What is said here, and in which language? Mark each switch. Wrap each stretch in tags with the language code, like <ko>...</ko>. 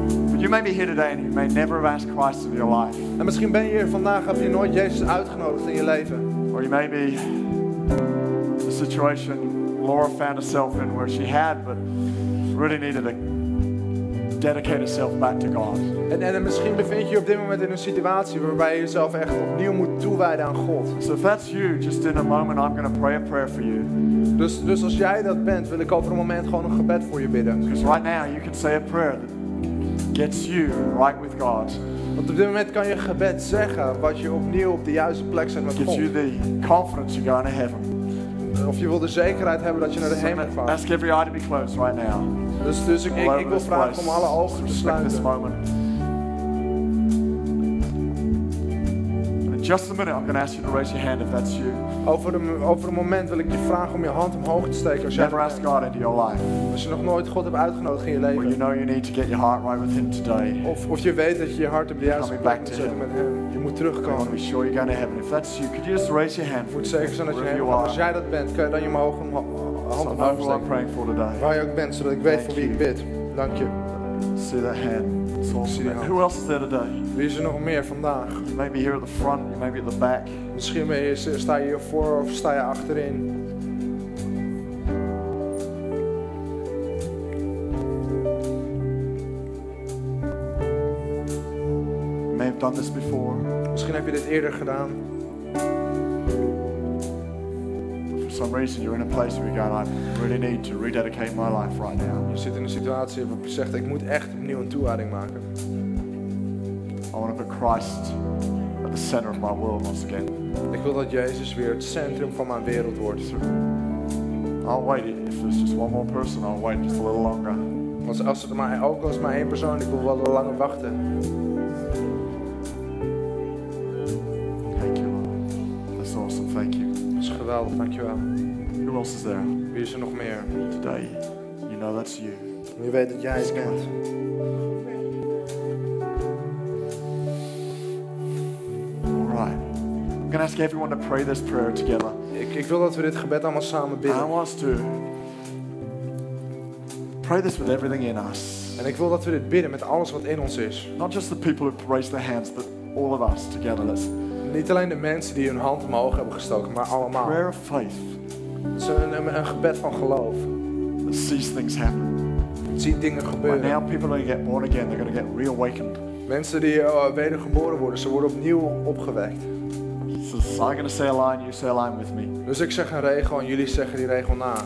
<en>But you may be here today and you may never have asked Christ in your life.</en> <nl>En misschien ben je hier vandaag, heb je nooit Jezus uitgenodigd in je leven.</nl> <en>Or you may be the situation Laura found herself in where she had, but really needed to dedicate herself back to God.</en> <nl>En misschien bevind je op dit moment in een situatie waarbij je jezelf echt opnieuw moet toewijden aan God.</nl> <en>So if that's you, just in a moment I'm going to pray a prayer for you.</en> <nl>Dus als jij dat bent, wil ik over een moment gewoon een gebed voor je bidden.</nl> <en>Because right now you can say a prayer that gets you right with God.</en> <nl>Want op dit moment kan je gebed zeggen wat je opnieuw op de juiste plek bent met God.</nl> <en>Gives you the confidence you're going to heaven.</en> <nl>Of je wil de zekerheid hebben dat je naar de hemel gaat.</nl> <en>Ask every eye to be closed right now.</en> <nl>Dus ik wil vragen om alle ogen te sluiten.</nl> <en>This moment. Just a minute, I'm going to ask you to raise your hand if that's you.</en> <nl>Over een moment wil ik je vragen om je hand omhoog te steken.</nl> <en>Never ask God into your life.</en> <nl>Als je nog nooit God hebt uitgenodigd in je leven.</nl> <en>Or you know you need to get your heart right with Him today.</en> <nl>Of je weet dat je hart op de juiste plek moet zetten met Hem. Je moet terugkomen.</nl> <en>I want to be sure you're going to heaven. If that's you, could you just raise your hand?</en> <nl>Moet zeker zijn dat je hem. Als jij dat bent, kun je dan je hand omhoog steken.</nl> <en>So I know who I'm praying for today.</en> <nl>Waar je ook bent, zodat ik weet voor wie ik bid. Dank je.</nl> <en>See that hand. Awesome. Who else is there today?</en> <nl>Wie is er nog meer vandaag?</nl> <en>You may be here at the front, you may be at the back.</en> <nl>Misschien sta je hier voor of sta je achterin.</nl> <en>You may have done this before.</en> <nl>Misschien heb je dit eerder gedaan.</nl> <en>Some reason you're in a place where you go, I really need to rededicate my life right now.</en> <nl>Je zit in een situatie waarop je zegt, ik moet echt opnieuw een toewijding maken.</nl> <en>I want to put Christ at the center of my world once again.</en> <nl>Ik wil dat Jezus weer het centrum van mijn wereld wordt.</nl> <en>So, I'll wait. If there's just one more person, I'll wait just a little longer.</en> <nl>Als er maar ook als maar één persoon, ik wil wel wat langer wachten.</nl> <en>Thank you. Who else is there?</en> <nl>Wie is er nog meer?</nl> <en>Today, you know that's you.</en> <nl>Je weet dat jij het bent.</nl> <en>All right. I'm going to ask everyone to pray this prayer together.</en> <nl>Ik wil dat we dit gebed allemaal samen bidden.</nl> <en>I want to pray this with everything in us.</en> <nl>En ik wil dat we dit bidden met alles wat in ons is.</nl> <en>Not just the people who raise their hands, but all of us together. Let's.</en> <nl>Niet alleen de mensen die hun hand omhoog hebben gestoken, maar allemaal.</nl> <en>Prayer of faith.</en> <nl>Het is een gebed van geloof.</nl> <en>That sees things happen.</en> <nl>Ziet dingen gebeuren.</nl> <en>But now people are going to get born again. They're going to get reawakened.</en> <nl>Mensen die wedergeboren worden, ze worden opnieuw opgewekt.</nl> <en>So I'm going to say a line, you say a line with me.</en> <nl>Dus ik zeg een regel en jullie zeggen die regel na.</nl>